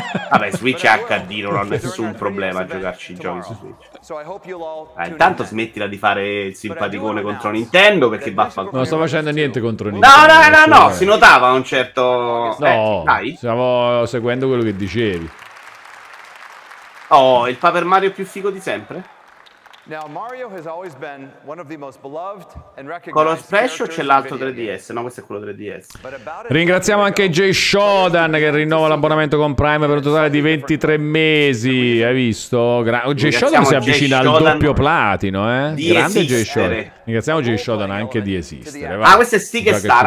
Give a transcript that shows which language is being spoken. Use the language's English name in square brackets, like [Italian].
[Italian] Vabbè, Switch è HD, non ho nessun problema a giocarci i giochi su Switch. Intanto smettila di fare il simpaticone contro Nintendo, perché vaffanculo. Non sto facendo niente contro Nintendo. No, si notava un certo... No, dai. Stiamo seguendo quello che dicevi. Oh, il Paper Mario più figo di sempre? [English] Now Mario has always been one of the most beloved and recognized. [Italian] Color Splash o c'è l'altro 3DS? No, questo è quello 3DS. Ringraziamo anche Jay Shodan che rinnova l'abbonamento con Prime per un totale di 23 mesi. Hai visto? Jay Shodan si avvicina al doppio platino, eh? Grande Jay Shodan. Ringraziamo Jay Shodan anche di esistere. Ah, questo è Stick e Star.